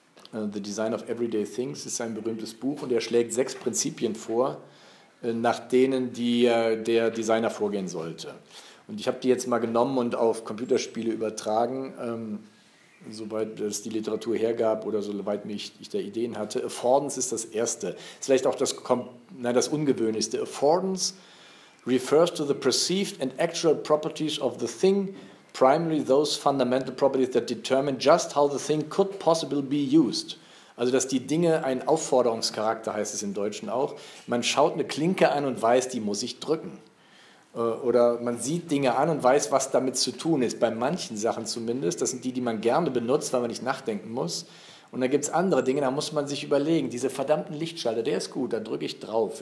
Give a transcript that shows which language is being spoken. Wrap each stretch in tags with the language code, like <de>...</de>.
<de>The Design of Everyday Things ist ein berühmtes Buch und er schlägt 6 Prinzipien vor, nach denen der Designer vorgehen sollte. Und ich habe die jetzt mal genommen und auf Computerspiele übertragen, soweit es die Literatur hergab oder soweit ich da Ideen hatte. Affordance ist das Erste. Vielleicht auch das Ungewöhnlichste.</de> <en>Affordance refers to the perceived and actual properties of the thing primarily those fundamental properties that determine just how the thing could possibly be used.</en> <de>Also, dass die Dinge einen Aufforderungscharakter, heißt es im Deutschen auch. Man schaut eine Klinke an und weiß, die muss ich drücken. Oder man sieht Dinge an und weiß, was damit zu tun ist. Bei manchen Sachen zumindest. Das sind die, die man gerne benutzt, weil man nicht nachdenken muss. Und dann gibt es andere Dinge, da muss man sich überlegen. Diese verdammten Lichtschalter, der ist gut, da drücke ich drauf.</de>